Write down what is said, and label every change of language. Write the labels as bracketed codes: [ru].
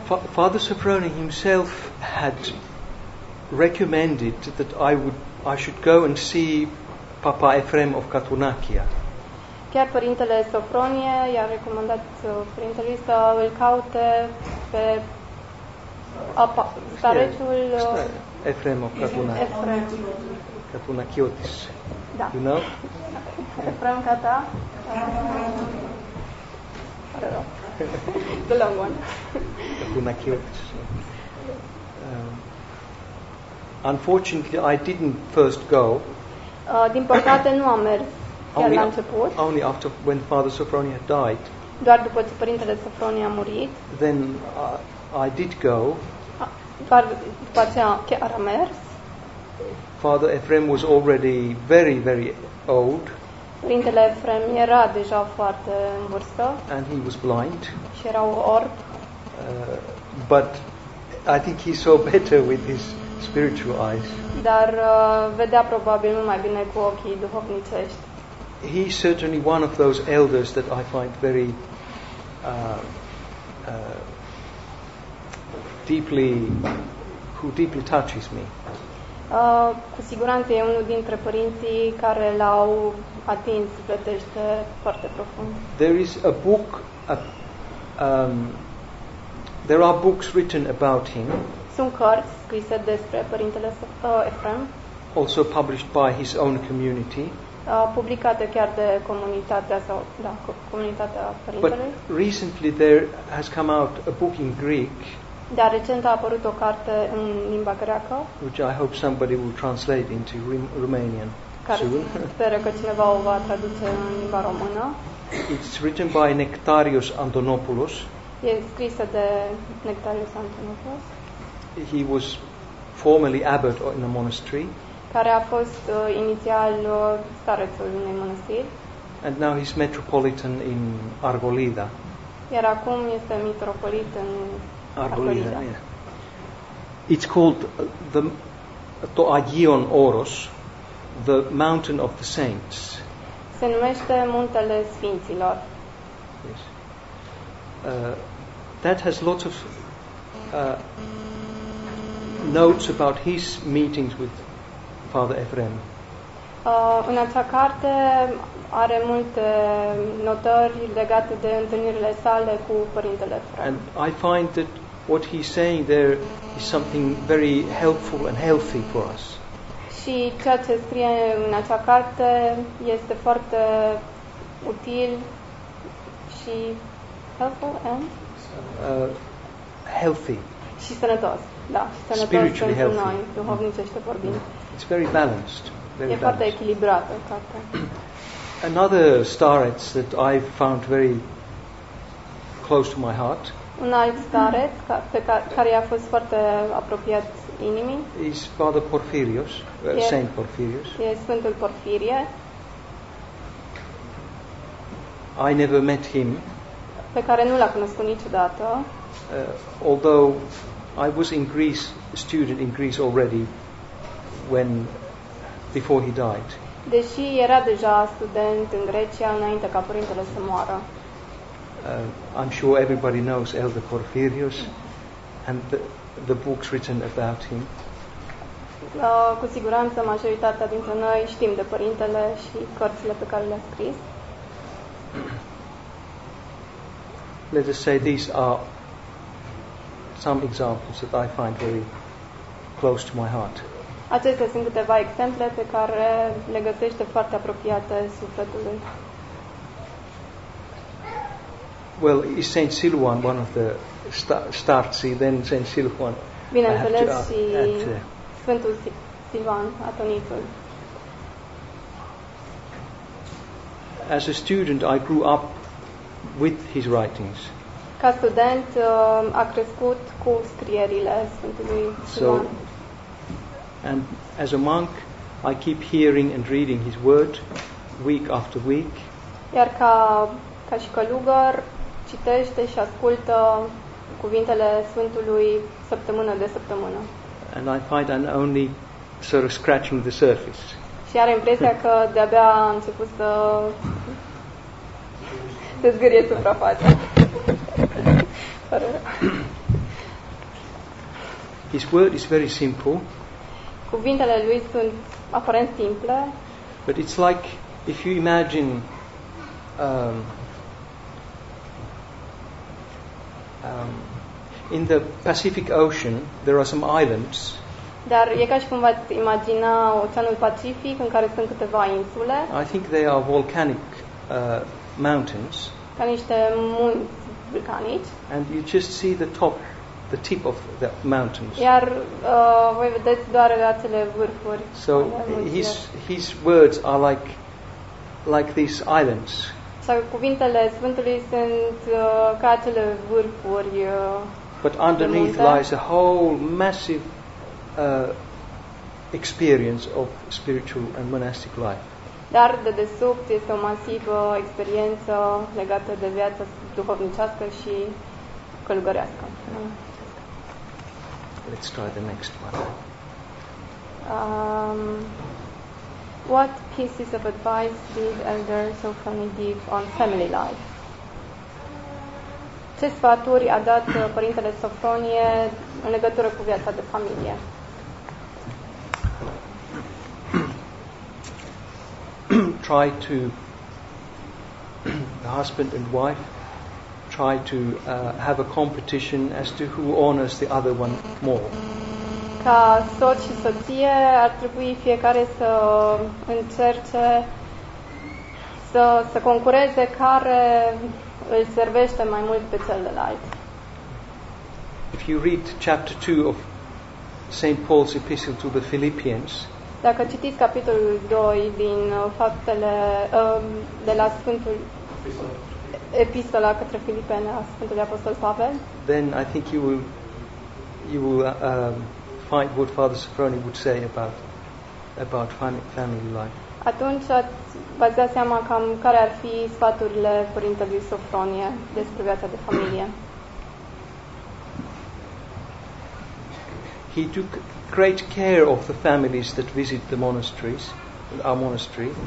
[en] Father Sofroni himself had recommended that I should go and see Papa Efrem of Katunakia. [ro] Chiar părintele Sofronie i-a recomandat părintelui să îl caute pe Starețul Efremo, Catuna. Efrem. Catuna Chiotis. Da. [en] You know? Efrem, Cata. The long one. Catuna Chiotis. Unfortunately, I didn't first go. [ro] Din păcate, nu am mers chiar la început. [en] Only after when Father Sophronia died. [ro] Doar după ce părintele Sophronia a murit. [en] Then I did go. [ro] Doar după aceea chiar a mers. [en] Father Ephrem was already very, very old. [ro] Părintele Ephrem era deja foarte în vârstă. [en] And he was blind. [ro] Și era orb. [en] But I think he saw better with his spiritual eyes. [ro] Dar vedea probabil mai bine cu ochii duhovnicești. [en] He is certainly one of those elders that I find very deeply, who deeply touches me. [ro] Cu siguranță e unul dintre părinții care l-au atins, plătește foarte profund. [en] There is a book, there are books written about him. [ro] Sunt cărți scrise despre părintele Efrem. [en] Also published by his own community. [ro] Publicate chiar de comunitatea sau da, comunitatea părintelui. [en] But recently there has come out a book in Greek. [ro] Dar recent a apărut o carte în limba greacă. [en] Which I hope somebody will translate into Romanian. Care soon. [ro] Sper că cineva o va traduce în limba română. [en] It's written by Nectarios Antonopoulos. [ro] E scrisă de Nectarios Antonopoulos. [en] He was formerly abbot in a monastery. [ro] Care a fost inițial starețul unei mănăstiri. [en] And now he's metropolitan in Argolida. [ro] Iar acum este mitropolit în [en] Argolida. Yeah. It's called the to Agion Oros, the mountain of the saints. [ro] Se numește Muntele Sfinților. [en] Yes. That has lots of notes about his meetings with Father Ephrem. [ro] În acea carte are multe notări legate de întâlnirile sale cu părintele Ephrem. [en] And I find that what he's saying there is something very helpful and healthy for us. [ro] Și ceea ce scrie în acea carte este foarte util și [en] helpful and healthy. [ro] Și sănătos. Da, și sănătos [en] spiritually [ro] pentru [en] healthy. [ro] Noi, duhovnicește vorbind. [en] It's very balanced. Very [ro] e [en] balanced. [ro] Foarte echilibrată cartea. [en] Another staret that I found very close to my heart. [ro] Un alt staret care i-a fost foarte apropiat inimii. [en] Is Father Porphyrios, Saint Porphyrios. [ro] E Sfântul Porfirie. [en] I never met him. [ro] Pe care nu l-a cunoscut niciodată. [en] Although I was in Greece, student in Greece already. When before he died. [ro] Deși era deja student în Grecia înainte ca părintele să moară. [en] I'm sure everybody knows Elder Porphyrios and the books written about him. [ro] Cu siguranță majoritatea dintre noi știm de părintele și cărțile pe care le-a scris. [en] Let us say these are some examples that I find very close to my heart. [ro] Acestea sunt câteva exemple pe care le găsește foarte apropiate sufletului. [en] Well, is Saint Silwan one of the starts? Then Saint Silwan. [ro] Bineînțeles, și Sfântul Silvan, Atonitul. [en] As a student, I grew up with his writings. [ro] Ca student, a crescut cu scrierile Sfântului Silvan. [en] And as a monk, I keep hearing and reading his word week after week. [ro] Iar ca și călugăr, citește și ascultă cuvintele Sfântului săptămână de săptămână. [en] And I find I'm only sort of scratching the surface. [ro] Și are impresia că de-abia a început să se zgârie suprafața. [en] His word is very simple. [ro] Cuvintele lui sunt aparent simple. [en] But it's like if you imagine um, in the Pacific Ocean there are some islands. [ro] Dar e ca și cum v-ați imagina Oceanul Pacific în care sunt câteva insule. [en] I think they are volcanic mountains. [ro] Ca niște munți vulcanici. [en] And you just see the top, the tip of the mountains. [ro] Iar voi vedeți doar acele vârfuri. [en] So his words are like these islands. [ro] Sau cuvintele Sfântului sunt ca acele vârfuri. [en] But underneath lies a whole massive experience of spiritual and monastic life. [ro] Dar de desubt este o masivă experiență legată de viața duhovnicească și călugărească. [en] Let's try the next one. What pieces of advice did Elder Sofoni give on family life? [ro] Ce sfaturi a dat părintele Sofronie în legătură cu viața de familie? [en] Try to the husband and wife try to have a competition as to who honors the other one more. [ro] Ca soț și soție ar trebui fiecare să încerce să concureze care îl servește mai mult pe celălalt. [en] If you read chapter 2 of St. Paul's epistle to the Philippians, [ro] dacă citiți capitolul 2 din faptele de la Sfântul Epistola către Filipeni a Sfântului Apostol Pavel, [en] then I think you will find what Father Sofroni would say about family life. [ro] Atunci v-ați dat seama cam care ar fi sfaturile părintelui Sofronie despre viața de familie. [en] He took great care of the families that visit the monasteries, our monastery.